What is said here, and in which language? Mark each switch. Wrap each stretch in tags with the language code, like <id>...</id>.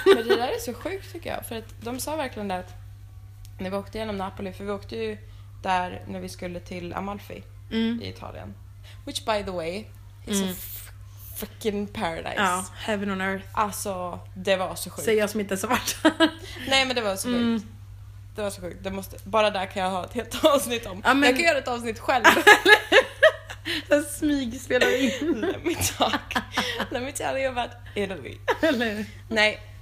<sv>Men det där är så sjukt tycker jag. För att de sa verkligen det att när vi åkte genom Napoli, för vi åkte ju där när vi skulle till Amalfi i Italien.</sv> <en>Which by the way is a freaking paradise. Ja, heaven on earth.</en> <sv>Alltså, det var så sjukt. Säg jag som inte är svart. Nej, men det var så sjukt. Det var så sjukt. Det måste, bara där kan jag ha ett helt avsnitt om. Ja, men... Jag kan göra ett avsnitt själv. Sen smygspelar in.</sv> <en>Let me talk about Italy. Nej.</en>